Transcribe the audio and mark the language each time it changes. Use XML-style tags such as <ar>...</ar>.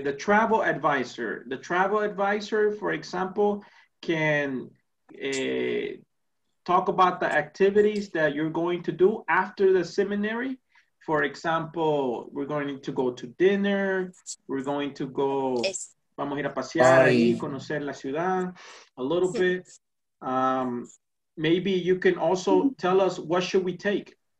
<en>The travel advisor, for example, can talk about the activities that you're going to do after the seminary. For example, we're going to go to dinner. We're going to go. Yes.</en> <es>Vamos a ir a pasear ahí, conocer la ciudad</es> <en>a little bit. Maybe you can also tell us what should we take.</en>